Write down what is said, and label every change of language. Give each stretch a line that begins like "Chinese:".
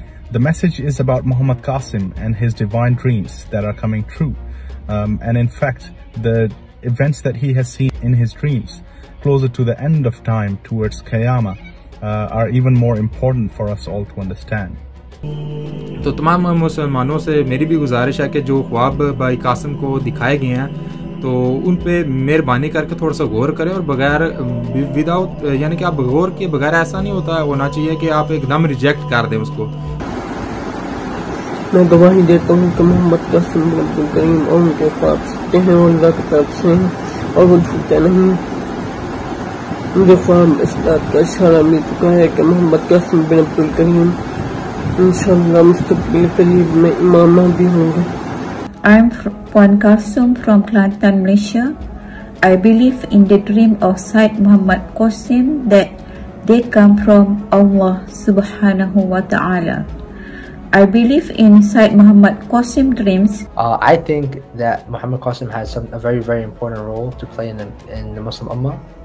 English: The message is about Muhammad Qasim and his divine dreams that are coming true. And in fact, the events that he has seen in his dreams closer to the end of time towards Qayamah are even more important for us all to understand.
Urdu: تو تمام مسلمانوں سے میری بھی گزارش ہے کہ جو خواب بھائی قاسم کو دکھائے گئے ہیں تو ان پہ مہربانی کر کے تھوڑا سا غور کریں، اور بغیر ود آؤٹ یعنی کہ آپ غور کے بغیر ایسا نہیں ہوتا، ہونا چاہیے کہ آپ ایک دم ریجیکٹ کر دیں اس کو. میں گواہی دیتا ہوں کہ محمد قاسم عبد الکریم اور ان کے خواب سچے ہیں اور اللہ کی طرف سے ہیں اور وہ جھوٹے نہیں. مجھے خواب اس بات کا اشارہ مل چکا ہے کہ محمد قاسم بن عبد الکریم ان شاء اللہ مستقبل قریب میں امام مہدی ہوں گے.
English: I am Puan Qasim from Kelantan, Malaysia. I believe in the dream of Said Muhammad Qasim that they come from Allah subhanahu wa ta'ala. I believe in Said Muhammad Qasim dreams. I think that Muhammad Qasim has a very, very important role to play in the Muslim Ummah.